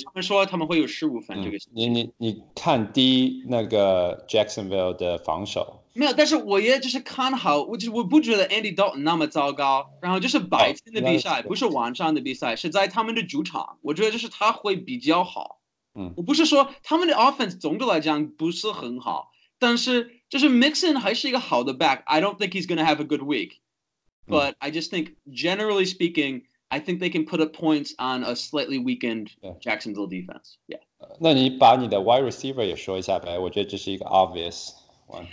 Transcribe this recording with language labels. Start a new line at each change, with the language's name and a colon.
Chinese: 他们说他们会有15分这个星期。你看低那个 Jacksonville 的防守。没有，但是我也就是看好，我不觉得 Andy Dalton 那么糟糕，然后就是白天的比赛，不是晚上的比赛，是在他们的主场，我觉得就是他会比较好。我不是说他们的 offense 总的来讲不是很好，但是就是 Mixon 还是一个好的 back，
English: I don't think he's going to have a good week， but I just think generally speaking I think they can put up points on a slightly weakened Jacksonville defense。
Chinese: 那你把你的 wide receiver 也说一下呗，我觉得这是一个 obvious one。